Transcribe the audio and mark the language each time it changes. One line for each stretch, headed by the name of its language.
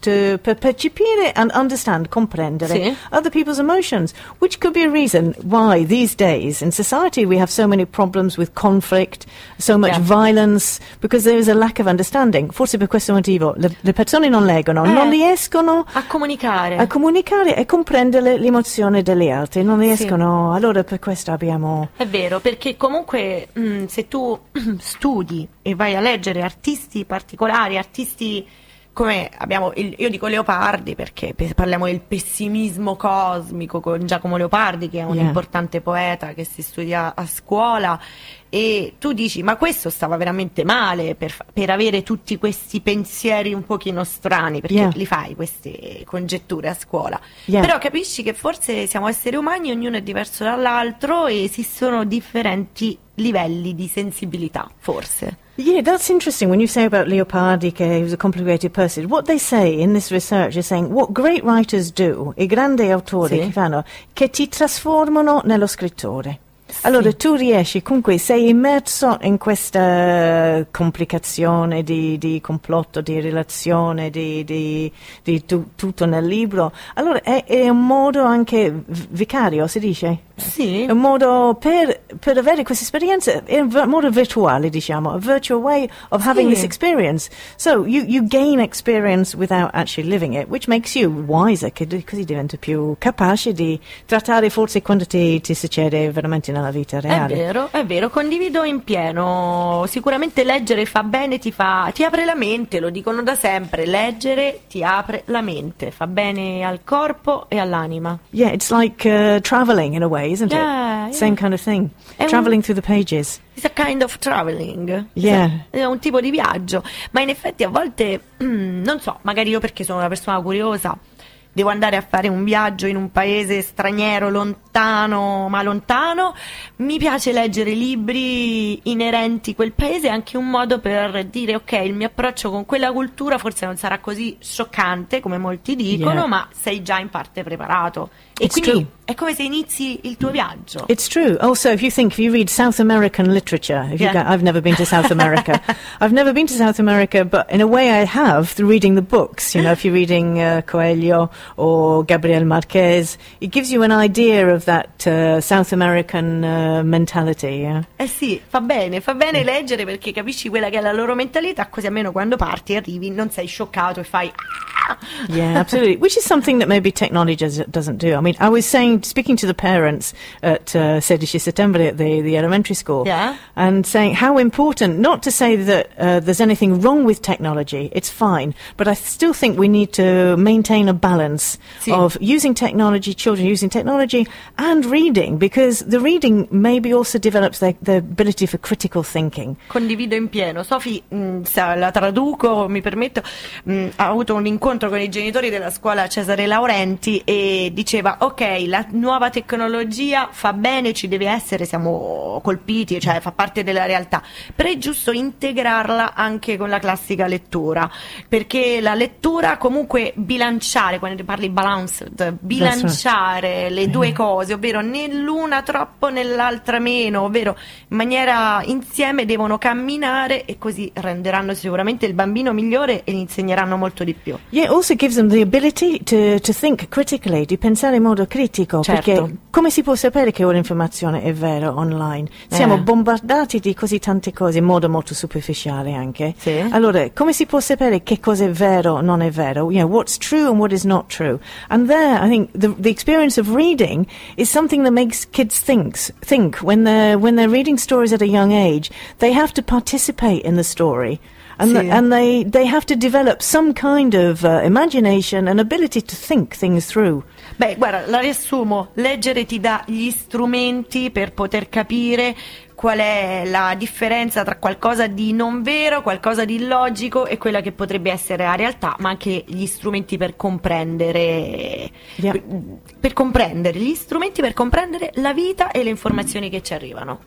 Italian: Per percepire
English: and understand,
Italian: comprendere
English: other people's emotions, which could be a reason why these days in society we have so many problems with conflict, so much violence, because there is a lack of understanding.
Italian: Forse per questo motivo le persone non leggono, non riescono a comunicare e comprendere l'emozione degli altri, non riescono, allora per questo abbiamo... È vero, perché comunque se tu studi e vai a leggere artisti particolari, artisti come abbiamo, io dico Leopardi perché parliamo del pessimismo cosmico con Giacomo Leopardi, che è un importante poeta che si studia a scuola, e tu dici, ma questo stava veramente male per avere tutti questi pensieri un pochino strani, perché li fai queste congetture a scuola, però capisci che forse siamo esseri umani, ognuno è diverso dall'altro e esistono differenti livelli di sensibilità, forse.
English: Yeah, that's interesting when you say about Leopardi, che he was a complicated person. What they say in this research is saying what great writers do,
Italian: i grandi autori che fanno, che ti trasformano nello scrittore. Allora, tu riesci, comunque sei immerso in questa complicazione di complotto, di relazione, di tutto nel libro. Allora, è un modo anche vicario, si dice? Sì. Un modo per avere questa esperienza, è un modo virtuale, diciamo,
English: a virtual way of having this experience. So, you gain experience without actually living it, which makes you wiser,
Italian: così diventi più capace di trattare forse quando ti succede veramente nella vita reale. È vero, condivido in pieno. Sicuramente leggere fa bene, ti apre la mente, lo dicono da sempre, leggere ti apre la mente, fa bene al corpo e all'anima.
English: Yeah, it's like traveling in a way, isn't it? Same kind of thing. Traveling through the pages. It's a kind of traveling. Yeah.
Italian: È un tipo di viaggio, ma in effetti a volte non so, magari io perché sono una persona curiosa, devo andare a fare un viaggio in un paese straniero, lontano, ma lontano. Mi piace leggere libri inerenti a quel paese, è anche un modo per dire ok, il mio approccio con quella cultura forse non sarà così scioccante come molti dicono, ma sei già in parte preparato. E
English: it's
Italian: quindi
English: true.
Italian: È come se inizi il tuo viaggio.
English: It's true. Also, if you think, if you read South American literature, I've never been to South America. I've never been to South America, but in a way I have through reading the books. You know, if you're reading Coelho or Gabriel Marquez, it gives you an idea of that South American mentality. Yeah?
Italian: Eh sì, fa bene leggere perché capisci quella che è la loro mentalità, così almeno quando parti e arrivi non sei scioccato e fai...
English: Yeah, absolutely. Which is something that maybe technology doesn't do. I mean, I was speaking to the parents at 16 September at the elementary school, and saying how important, not to say that there's anything wrong with technology, it's fine, but I still think we need to maintain a balance of using technology, children using technology, and reading, because the reading maybe also develops the ability for critical thinking.
Italian: Condivido in pieno. Sophie, la traduco, mi permetto, ha avuto un incontro con i genitori della scuola Cesare Laurenti e diceva ok, la nuova tecnologia fa bene, ci deve essere, siamo colpiti, cioè fa parte della realtà, però è giusto integrarla anche con la classica lettura, perché la lettura comunque bilanciare, quando parli balanced, bilanciare le due cose, ovvero nell'una troppo, nell'altra meno, ovvero in maniera insieme devono camminare, e così renderanno sicuramente il bambino migliore e gli insegneranno molto di più.
English: It also gives them the ability to think critically,
Italian: di pensare in modo critico. pubblico, certo. Perché come si può sapere che un'informazione è vera online? Siamo bombardati di così tante cose, in modo molto superficiale anche. Sì. Allora, come si può sapere che cosa è vero o non è vero?
English: You know, what's true and what is not true? And there, I think, the experience of reading is something that makes kids think. When they're reading stories at a young age, they have to participate in the story. And they have to develop some kind of imagination and ability to think things through.
Italian: Beh, guarda, la riassumo. Leggere ti dà gli strumenti per poter capire qual è la differenza tra qualcosa di non vero, qualcosa di illogico e quella che potrebbe essere la realtà, ma anche gli strumenti per comprendere,
English: yeah.
Italian: Per comprendere, gli strumenti per comprendere la vita e le informazioni che ci arrivano.